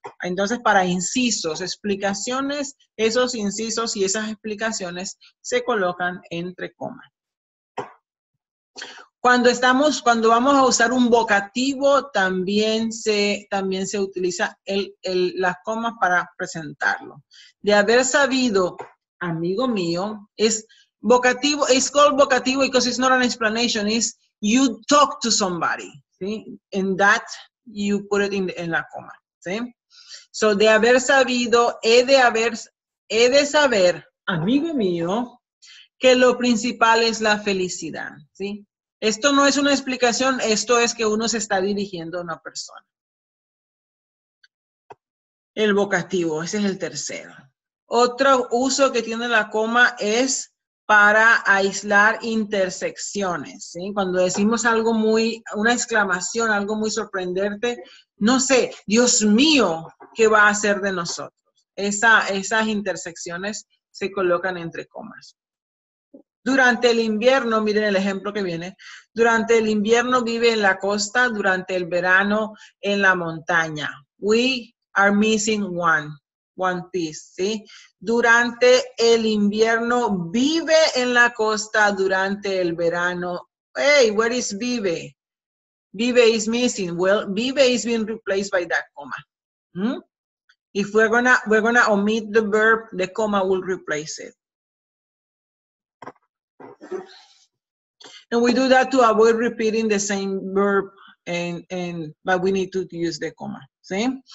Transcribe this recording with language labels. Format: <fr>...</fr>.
<es>Entonces, para incisos, explicaciones, esos incisos y esas explicaciones se colocan entre comas. Cuando vamos a usar un vocativo, también se utiliza las comas para presentarlo. De haber sabido, amigo mío, es vocativo,</es> <en>it's called vocativo because it's not an explanation, it's you talk to somebody, ¿sí? And that you put it in la coma, ¿sí?</en> <es>So, de haber sabido, he de saber, amigo mío, que lo principal es la felicidad, ¿sí? Esto no es una explicación, esto es que uno se está dirigiendo a una persona. El vocativo, ese es el tercero. Otro uso que tiene la coma es para aislar intersecciones, ¿sí? Cuando decimos algo muy, una exclamación, algo muy sorprendente, no sé, Dios mío, ¿qué va a hacer de nosotros? Esas intersecciones se colocan entre comas. Durante el invierno, miren el ejemplo que viene, durante el invierno vive en la costa, durante el verano en la montaña.</es> <en>We are missing one piece, ¿sí?</en> <es>Durante el invierno vive en la costa, durante el verano.</es> <en>Hey, where is vive? Vive is missing. Well, vive is being replaced by that comma. ¿Mm? If we're gonna omit the verb, the comma will replace it. And we do that to avoid repeating the same verb, but we need to use the comma, ¿sí?</en>